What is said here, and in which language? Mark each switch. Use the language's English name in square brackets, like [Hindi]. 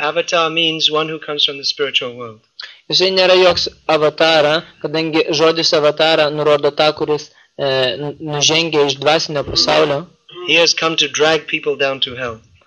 [English] Avatar means one who comes from the spiritual world. [Lithuanian] Jisai nėra joks avatara, kadangi žodis avatara nurodo tą, kuris nužengia iš dvasinio pasaulio. [English] He has come to drag people down to hell.